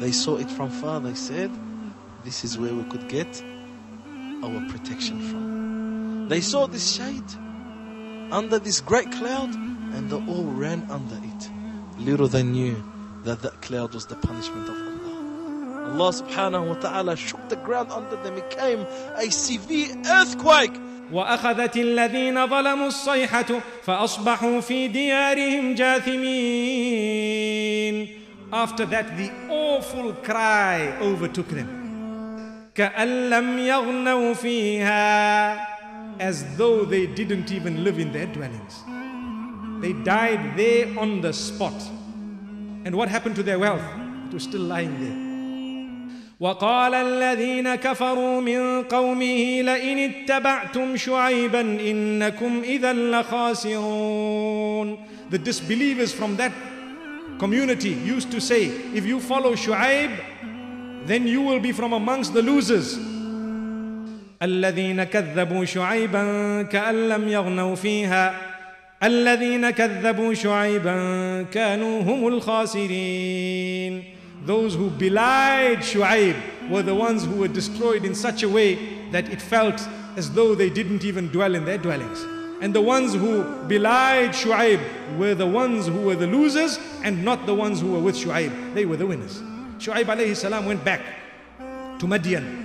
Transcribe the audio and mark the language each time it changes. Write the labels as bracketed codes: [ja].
[en] They saw it from far. They said, "This is where we could get our protection from." They saw this shade under this great cloud, and they all ran under it. Little they knew that that cloud was the punishment of Allah. Allah subhanahu wa ta'ala shook the ground under them. It came a severe earthquake. [ar] وأخذت الذين ظلموا الصيحة فأصبحوا في ديارهم جاثمين. [en] After that, the awful cry overtook them. [ar] كَأَنْ لَمْ يَغْنَوْا فِيهَا. [en] As though they didn't even live in their dwellings. They died there on the spot. And what happened to their wealth? It was still lying there. [ar] وَقَالَ الَّذِينَ كَفَرُوا مِنْ قَوْمِهِ لَئِنِ اتَّبَعْتُمْ شُعَيْبًا إِنَّكُمْ إِذَا لَخَاسِرُونَ. [en] The disbelievers from that community used to say, "If you follow Shu'aib, then you will be from amongst the losers." [ar] الَّذِينَ كَذَّبُوا شُعَيْبًا كَأَنْ لَمْ يَغْنَوْا فِيهَا. الذين كذبوا شعيبا كانوا هم الخاسرين. [en] Those who belied Shu'aib were the ones who were destroyed in such a way that it felt as though they didn't even dwell in their dwellings. And the ones who belied Shu'aib were the ones who were the losers and not the ones who were with Shu'aib. They were the winners. Shu'aib alayhi salam went back to Madian.